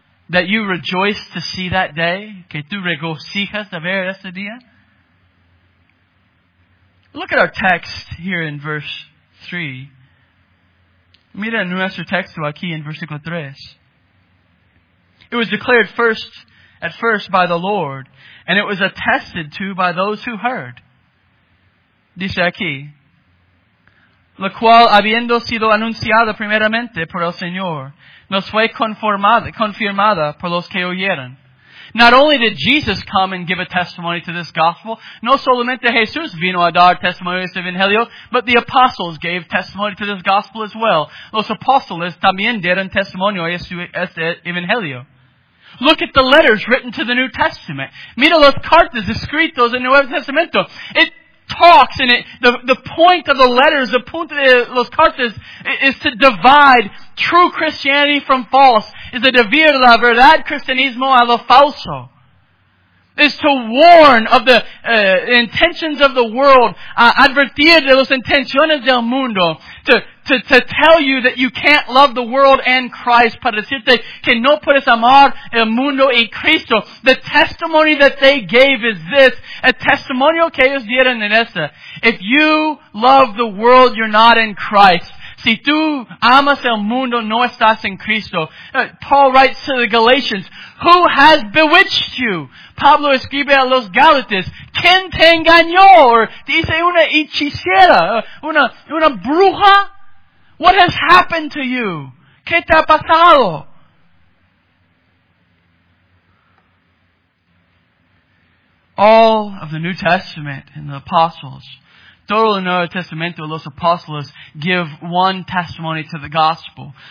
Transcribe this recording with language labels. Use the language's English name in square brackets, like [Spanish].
[English] That you rejoice to see that day. [Spanish] Que tú regocijas de ver este día. [English] Look at our text here in verse 3. [Spanish] Mira nuestro texto aquí en versículo 3. [English] It was declared at first by the Lord, and it was attested to by those who heard. [Spanish] Dice aquí, lo cual habiendo sido anunciada primeramente por el Señor, nos fue confirmada por los que oyeron. [English] Not only did Jesus come and give a testimony to this gospel, [Spanish] no solamente Jesús vino a dar testimonio de este evangelio, [English] but the apostles gave testimony to this gospel as well. [Spanish] Los apóstoles también dieron testimonio a este evangelio. [English] Look at the letters written to the New Testament. [Spanish] Mira las cartas escritas en el Nuevo Testamento. [English] It talks in it. The point of the letters, the point of [Spanish] los cartas, [English] is to divide true Christianity from false. Is to [Spanish] dividir la verdad cristianismo a lo falso. [English] Is to warn of the intentions of the world. [Spanish] Advertir de las intenciones del mundo. [English] To tell you that you can't love the world and Christ. [Spanish] Para decirte que no puedes amar el mundo y Cristo. [English] The testimony that they gave is this. [Spanish] El testimonio que ellos dieron en esta. [English] If you love the world, you're not in Christ. [Spanish] Si tú amas el mundo, no estás en Cristo. [English] Paul writes to the Galatians, who has bewitched you? [Spanish] Pablo escribe a los Gálatas, ¿quién te engañó? Dice una hechicera, una bruja. [English] What has happened to you? [Spanish] ¿Qué te ha pasado? [English] All of the New Testament and the apostles, [Spanish] todo el Nuevo Testamento, los apóstoles, [English] give one testimony to the gospel.